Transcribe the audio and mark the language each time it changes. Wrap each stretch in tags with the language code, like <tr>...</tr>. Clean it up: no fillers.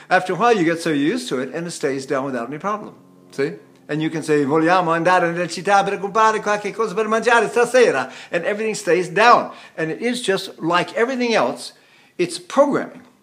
<en>After a while, you get so used to it, and it stays down without any problem. See? And you can say,</en> <it>vogliamo andare nella città per comprare qualche cosa per mangiare stasera.</it> <en>And everything stays down. And it is just like everything else, it's programming.</en>